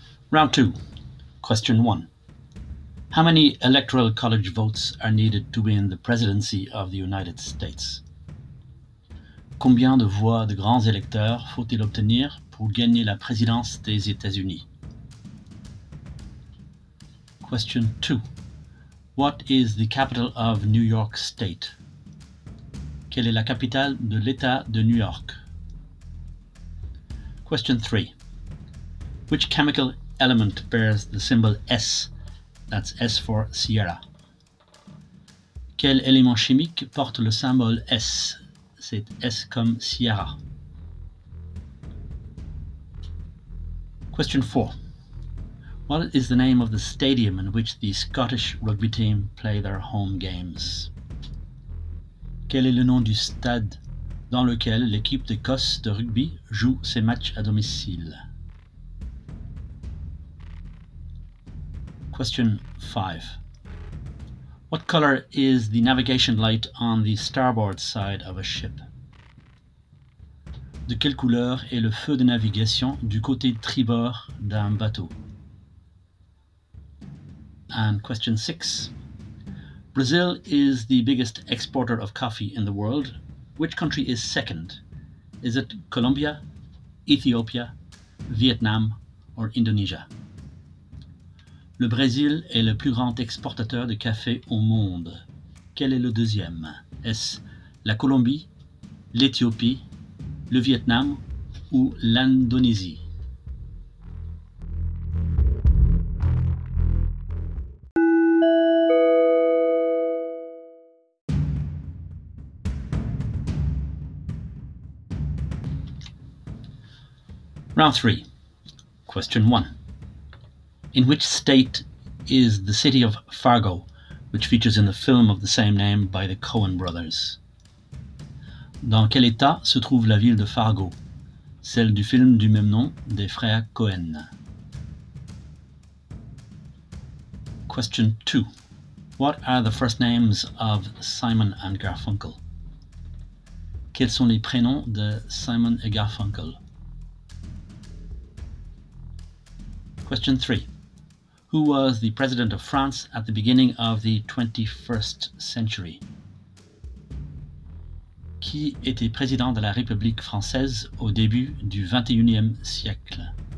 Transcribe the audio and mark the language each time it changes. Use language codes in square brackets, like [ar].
[en] Round 2. Question 1. How many electoral college votes are needed to win the presidency of the United States? [fr] Combien de voix de grands électeurs faut-il obtenir pour gagner la présidence des États-Unis? [en] Question 2. What is the capital of New York State? [fr] Quelle est la capitale de l'État de New York? [en] Question 3. Which chemical element bears the symbol S, that's S for Sierra. [fr] Quel élément chimique porte le symbole S, c'est S comme Sierra. [en] Question 4. What is the name of the stadium in which the Scottish rugby team play their home games? [fr] Quel est le nom du stade dans lequel l'équipe d'Écosse de rugby joue ses matchs à domicile? [en] Question 5. What color is the navigation light on the starboard side of a ship? [fr] De quelle couleur est le feu de navigation du côté tribord d'un bateau? [en] And question 6. Brazil is the biggest exporter of coffee in the world. Which country is second? Is it Colombia, Ethiopia, Vietnam, or Indonesia? [fr] Le Brésil est le plus grand exportateur de café au monde. Quel est le deuxième? Est-ce la Colombie, l'Éthiopie, le Vietnam ou l'Indonésie? [en] Round 3. Question 1. In which state is the city of Fargo which features in the film of the same name by the Coen brothers. [fr] Dans quel état se trouve la ville de Fargo, celle du film du même nom des frères Coen? [en] Question 2. What are the first names of Simon and Garfunkel? [fr] Quels sont les prénoms de Simon et Garfunkel? [en] Question 3. Who was the president of France at the beginning of the 21st century? [fr] Qui était président de la République française au début du 21e siècle?